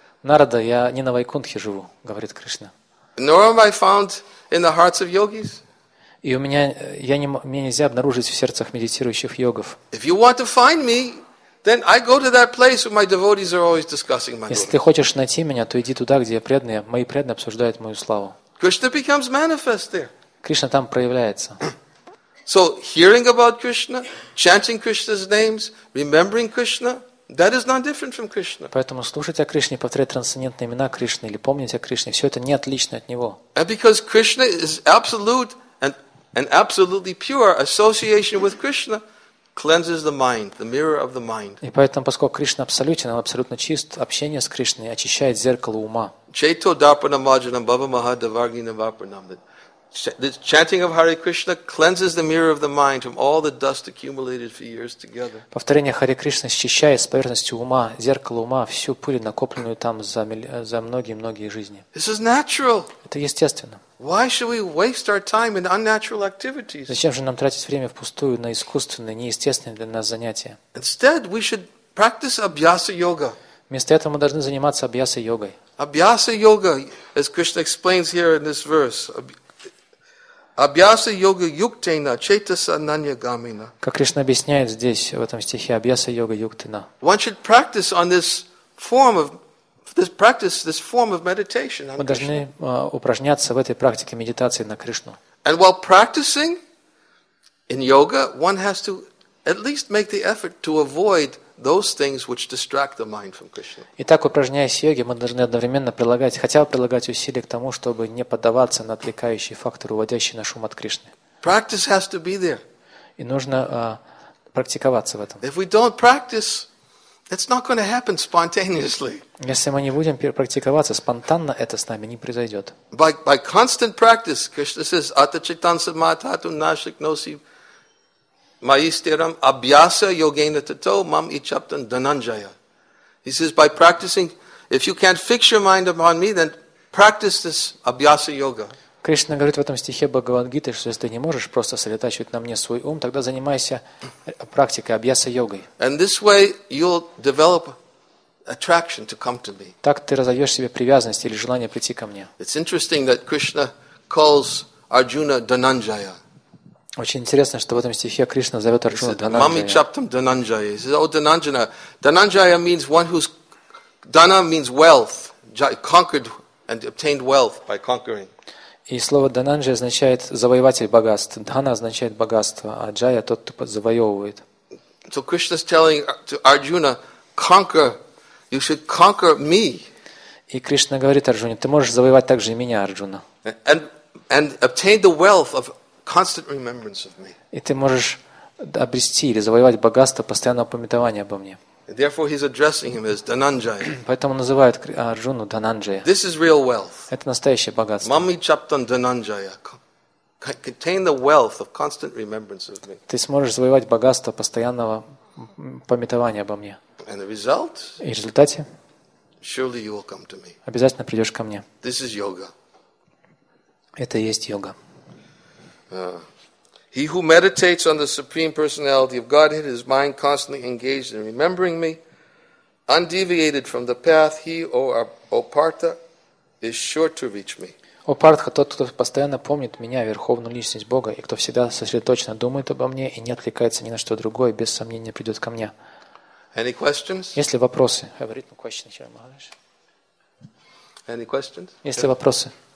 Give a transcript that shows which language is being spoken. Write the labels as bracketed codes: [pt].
[ru] Narada, я не на Вайкунтхе живу, говорит Кришна. [en] Nor am I found in the hearts of yogis. [ru] И у меня, мне нельзя обнаружить в сердцах медитирующих йогов. [en] If you want to find me, then I go to that place where my devotees are always discussing my glory. [ru] Если ты хочешь найти меня, то иди туда, где преданные, мои преданные обсуждают мою славу. [en] Krishna becomes manifest there. [ru] Кришна там проявляется. [en] So hearing about Krishna, chanting Krishna's names, remembering Krishna, that is not different from Krishna. [ru] Поэтому слушать о Кришне, повторять трансцендентные имена Кришны или помнить о Кришне, все это не отлично от него. [en] And because Krishna is absolute and absolutely pure, association with Krishna cleanses the mind, the mirror of the mind. [ru] И поэтому, поскольку Кришна абсолютен, он абсолютно чист, общение с Кришной очищает зеркало ума. [sa] Chaito dharpanam majanam bhava mahadavarginam vaparnam. [en] The chanting of Hare Krishna cleanses the mirror of the mind from all the dust accumulated for years together. [ru] Повторение Харе Кришны счищает с поверхности ума, зеркало ума, всю пыль, накопленную там за многие-многие жизни. [en] This is natural. [ru] Это естественно. [en] Why should we waste our time in unnatural activities? [ru] Зачем же нам тратить время впустую на искусственные, неестественные для нас занятия? [en] Instead, we should practice abhyasa yoga. [ru] Вместо этого мы должны заниматься абьяса йогой. [en] Abhyasa yoga, as Krishna explains here in this verse, [sa] abhyasa yoga yuktena chetasa nanya gamina. [ru] Как Кришна объясняет здесь в этом стихе, [sa] абьяса йога юктена. [en] One should practice on this form of this form of meditation. [ru] Мы должны упражняться в этой практике медитации на Кришну. [en] And while practicing in yoga, one has to at least make the effort to avoid those things which distract the mind from Krishna. [ru] Итак, упражняясь в йоге, мы должны одновременно прилагать усилия к тому, чтобы не поддаваться на отвлекающие факторы, уводящие наш ум от Кришны. [en] Practice has to be there. [ru] И нужно практиковаться в этом. [en] If we don't practice, it's not going to happen spontaneously. [ru] Если мы не будем практиковаться, спонтанно это с нами не произойдет. [en] By constant practice, Krishna says, [sa] Atachitan samatatu nashiknosi maistiram abhyasa yogena tato mam ichaptan dananjaya. [en] He says, by practicing, if you can't fix your mind upon me, then practice this abhyasa yoga. [ru] Кришна говорит в этом стихе Бхагавад-гиты, что если ты не можешь просто сосредотачивать на мне свой ум, тогда занимайся практикой, абьяса-йогой. [en] And this way you'll develop attraction to come to me. [ru] Так ты разовьешь себе привязанность или желание прийти ко мне. [en] It's interesting that Krishna calls Arjuna Dhananjaya. [ru] Очень интересно, что в этом стихе Кришна зовет Арджуну Дхананджая. [sa] Мами чаптам Дхананджая. [en] He says, oh, Dhananjana. Dhananjaya means one who's... Dhana means wealth. Conquered and obtained wealth by conquering. [ru] И слово «дананджа» означает «завоеватель богатств». «Дхана» означает «богатство», а «джая» – тот, кто завоевывает. [en] So Krishna is telling to Arjuna, conquer, you should conquer me. [ru] И Кришна говорит Арджуне, ты можешь завоевать также и меня, Арджуна. [en] And obtain the wealth of constant remembrance of me. [ru] И ты можешь обрести или завоевать богатство постоянного памятования обо мне. [en] Therefore, he's addressing him as Dhananjaya. [ru] Поэтому называют Арджуну Дхананджая. [en] This is real wealth. [ru] Это настоящее богатство. [sa] Mami chaptan Dhananjaya. [en] Contain the wealth of constant remembrance of me. [ru] Ты сможешь завоевать богатство постоянного памятования обо мне. [en] And the result? [ru] И в результате? [en] Surely you will come to me. [ru] Обязательно придешь ко мне. [en] This is yoga. [ru] Это и есть йога. [en] He who meditates on the Supreme Personality of Godhead, his mind constantly engaged in remembering me, undeviated from the path, he, O Partha, is sure to reach me. [ru] О Партха, тот, кто постоянно помнит меня, Верховную Личность Бога, и кто всегда сосредоточенно думает обо мне и не отвлекается ни на что другое, без сомнения придет ко мне. [en] Any questions? [ru] Есть ли вопросы? Есть ли вопросы? [en] Any questions? [ru] Есть ли вопросы?